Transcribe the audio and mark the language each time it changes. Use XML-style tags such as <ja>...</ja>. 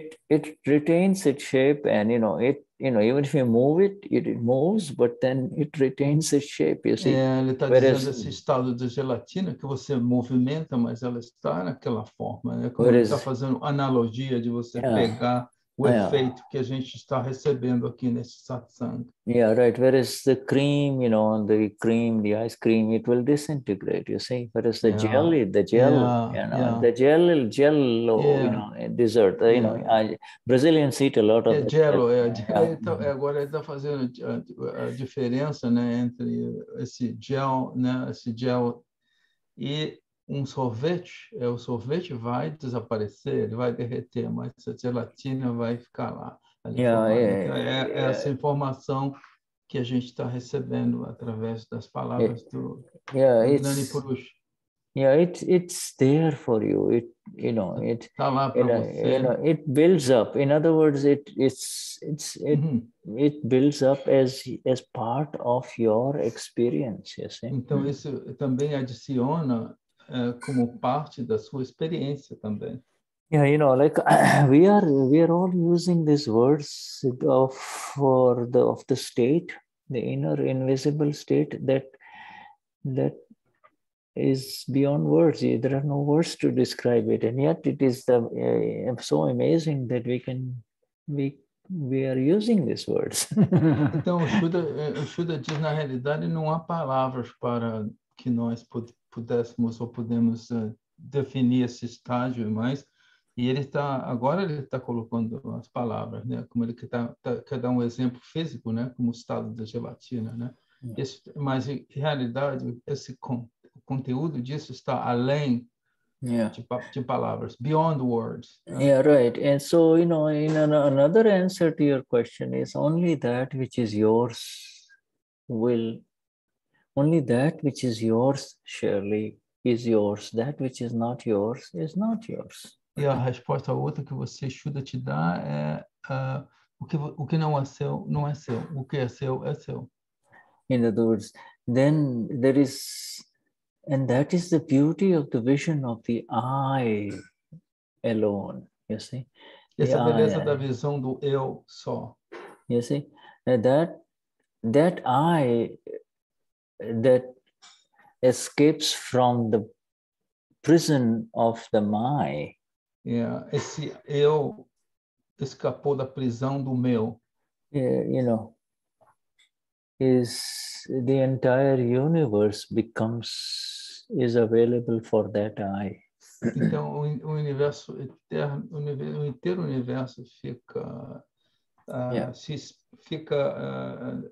<en>It retains its shape and, you know, even if you move it, it moves, but then it retains its shape, you see.</en> <pt>Ele está dizendo esse estado de gelatina, que você movimenta, mas ela está naquela forma, né? Como ele está fazendo analogia de você pegar... efeito que a gente está recebendo aqui nesse satsang.</pt> <en>Yeah, right. Whereas the cream, you know, the ice cream, it will disintegrate, you see. Whereas the jelly, Brazilians eat a lot of it.</en> <pt>Agora ele está fazendo a diferença, né, entre esse gel, né, esse gel e um sorvete, é, o sorvete vai desaparecer, ele vai derreter, mas a gelatina vai ficar lá. É essa informação que a gente está recebendo através das palavras do Gnani Purush.</pt> <en>It's there for you. It</en> <pt>tá lá pra você.</pt> <en>It builds up. In other words, it builds up as part of your experience. You see?</en> <pt>Então isso também adiciona como parte da sua experiência também.</pt> <en>Yeah, you know, like we are all using these words for the state, the inner invisible state that is beyond words. There are no words to describe it, and yet it is so amazing that we are using these words.</en> <pt>Então, Shuddha diz, na realidade, não há palavras para que nós pudéssemos ou podemos definir esse estágio, mas e ele está agora ele está colocando as palavras, né? Como ele quer dar um exemplo físico, né? Como o estado da gelatina, né? Mas em realidade esse conteúdo disso está além de palavras,</pt> <en>beyond words. Né? Yeah, right. And so, you know, in another answer to your question is only that which is yours, Shirley, is yours. That which is not yours is not yours.</en> <pt>E a resposta outra que você Shuddha te dá é o que não é seu, não é seu. O que é seu, é seu.</pt> <en>In other words, then there is, and that is the beauty of the vision of the I alone, you see?</en> <pt>Essa the beleza I, da visão do eu só.</pt> <en>You see? That I that escapes from the prison of the my.</en> <pt>Yeah, esse eu escapou da prisão do meu.</pt> <en>Yeah, you know, is the entire universe is available for that I.</en> <pt>Então, o universo eterno, o inteiro universo fica</pt>